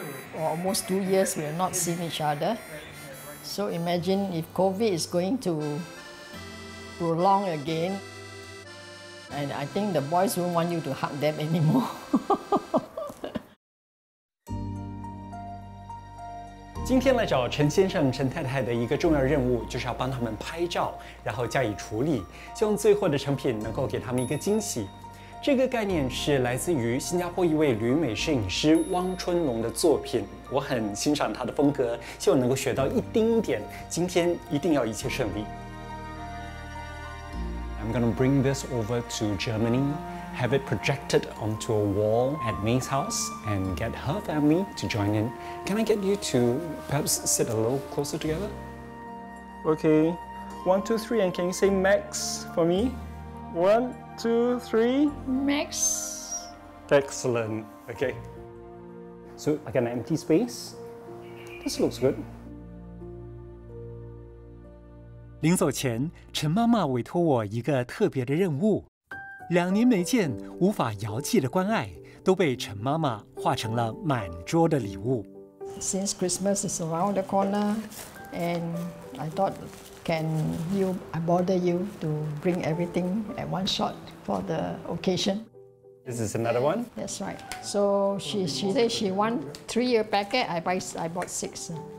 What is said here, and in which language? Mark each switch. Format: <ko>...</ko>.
<en>For almost 2 years, we have not seen each other. So imagine if COVID is going to prolong again. And I think the boys won't want you to hug them anymore.</en> <zh>今天来找陈先生、陈太太的一个重要任务，就是要帮他们拍照，然后加以处理，希望最后的成品能够给他们一个惊喜。这个概念是来自于新加坡一位旅美摄影师汪春龙的作品，我很欣赏他的风格，希望能够学到一丁点。今天一定要一切顺利。</zh> <en>I'm going to bring this over to Germany, have it projected onto a wall at May's house, and get her family to join in. Can I get you to perhaps sit a little closer together? Okay, 1, 2, 3, and can you say Max for me? 1, 2, 3. Max. Excellent. Okay. So I got an empty space. This looks good.</en> <zh>临走前，陈妈妈委托我一个特别的任务。两年没见，无法遥寄的关爱都被陈妈妈化成了满桌的礼物。</zh> <en>Since Christmas is around the corner, and I thought, I bother you to bring everything at one shot for the occasion? This is another one. That's right. So she said she want 3-year packet. I bought 6.</en>